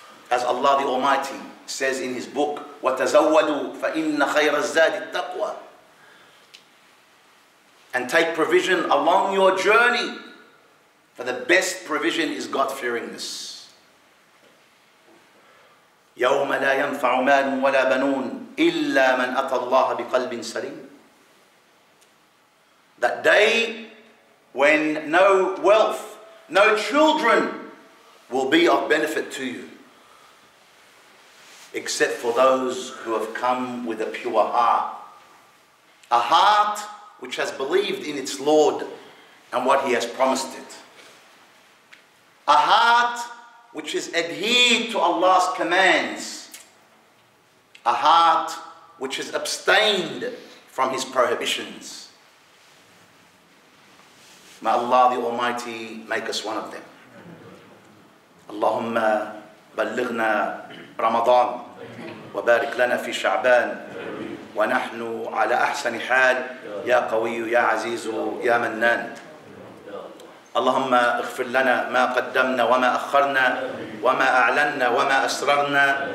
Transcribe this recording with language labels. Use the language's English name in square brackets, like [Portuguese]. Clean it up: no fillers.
[English] As Allah the Almighty says in His book, [Arabic] وَتَزَوَّدُوا فَإِنَّ خَيْرَ الزَّادِ التَّقْوَى. [English] And take provision along your journey, for the best provision is God-fearingness. [Arabic] يوم لا ينفع مال ولا بنون إلا من أتى الله بقلب سليم. [English] That day when no wealth, no children will be of benefit to you, except for those who have come with a pure heart. A heart which has believed in its Lord and what He has promised it. A heart which is adhered to Allah's commands. A heart which has abstained from His prohibitions. May Allah the Almighty make us one of them. [Arabic] اللهم بلغنا رمضان وبارك لنا في شعبان ونحن على أحسن حال يا قوي يا عزيز يا منان. اللهم اغفر لنا ما قدمنا وما أخرنا وما أعلنا وما أسررنا.